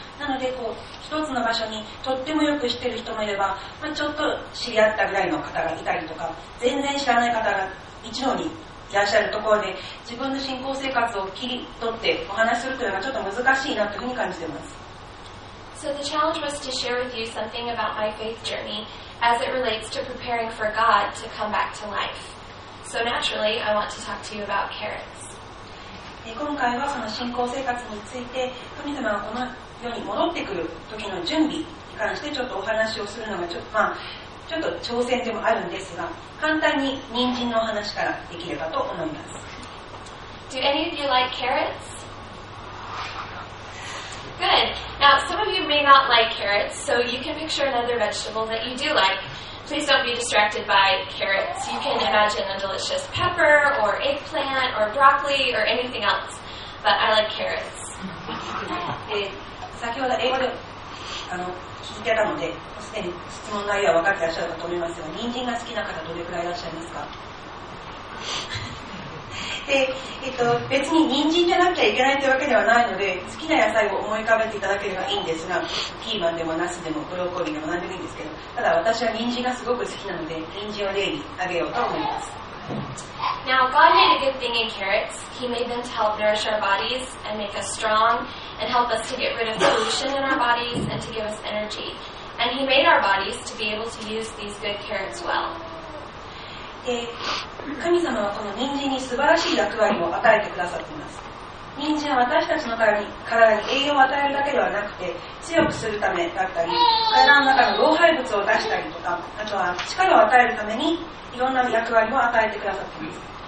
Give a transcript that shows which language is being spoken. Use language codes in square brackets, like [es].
[ja] なので、こう一つの場所にとってもよく知っている人もいれば、まあ、ちょっと知り合ったぐらいの方がいたりとか、全然知らない方が一度にいらっしゃるところで、自分の信仰生活を切り取ってお話するというのはちょっと難しいなというふうに感じています。 [en] So the challenge was to share with you something about my faith journey as it relates to preparing for God to come back to life. So naturally, I want to talk to you about carrots. [ja] 今回はその信仰生活について、神様はこの世に戻ってくる時の準備に関してちょっとお話をするのがちょっと挑戦でもあるんですが、簡単に人参のお話からできればと思います。 [en] Do any of you like carrots? Good. Now, some of you may not like carrots, so you can picture another vegetable that you do like. please don't be distracted by carrots. You can imagine a delicious pepper or eggplant or broccoli or anything else, but I like carrots. [ja] 先ほど英語で聞いてたのですでに質問内容は分かってらっしゃるかと思いますが、人参が好きな方どれくらいいらっしゃいますか？で、別に人参じゃなきゃいけないというわけではないので、好きな野菜を思い浮かべていただければいいんですが、ピーマンでもナスでもブロッコリーでも何でもいいんですけど、ただ私は人参がすごく好きなので人参を例に挙げようと思います。 [en] Now, God made a good thing in carrots. He made them to help nourish our bodies and make us strong and help us to get rid of pollution in our bodies and to give us energy. And He made our bodies to be able to use these good carrots well. [ja] 神様はこの人参に素晴らしい役割を与えてくださっています。人参は私たちの体に栄養を与えるだけではなくて、強くするためだったり、体の中の老廃物を出したりとか、あとは力を与えるためにいろんな役割も与えてくださっています。